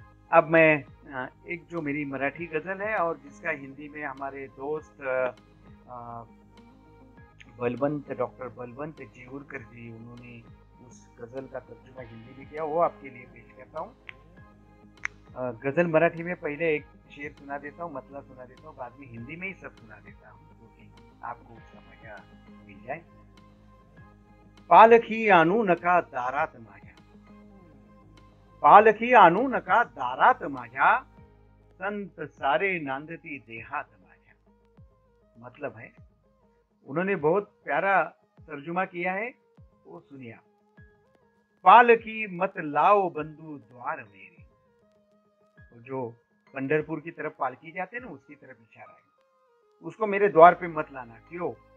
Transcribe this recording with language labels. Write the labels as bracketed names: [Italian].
[Hindi] अब मैं एक जो मेरी मराठी गजल है और जिसका हिंदी में हमारे दोस्त बलवंत, डॉक्टर बलवंत जीवुरकर जी, उन्होंने उस गजल का तर्जुमा हिंदी में किया, वो आपके लिए पेश करता हूँ। गजल मराठी में पहले एक शेर सुना देता हूँ, मतलब सुना देता हूँ, बाद में हिंदी में ही सब सुना देता हूँ, क्योंकि आपको उसका मजा मिल जाए। [Marathi] पालखी आनू नका दारात माझा, पालखी आनू नका दारात माझा, संत सारे नांदती देहात माझा। [Hindi] मतलब है उन्होंने बहुत प्यारा तर्जुमा किया है, वो सुनिया। पालकी मत लाओ बंधु द्वार मेरे, तो जो पंढरपुर की तरफ पालकी जाते ना उसकी तरफ इशारा है, उसको मेरे द्वार पे मत लाना। क्यों?